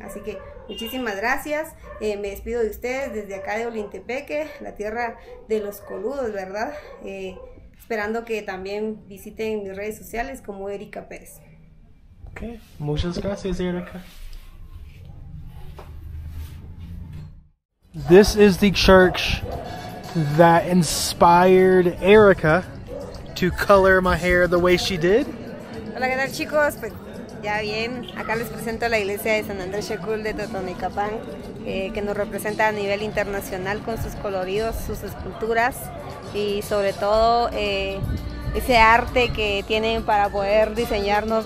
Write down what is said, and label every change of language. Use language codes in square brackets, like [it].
[es] Así que muchísimas gracias, me despido de ustedes desde acá de Olintepeque, la tierra de los coludos, ¿verdad? Esperando que también visiten mis redes sociales como Erika Pérez. Ok, muchas gracias, Erika. [en] This is the church that inspired Erika to color my hair the way she did. [es] Hola, ¿qué tal, chicos? Pues ya bien, acá les presento la iglesia de San Andrés Xecul de Totonicapán, que nos representa a nivel internacional con sus coloridos, sus esculturas y sobre todo ese arte que tienen para poder diseñarnos.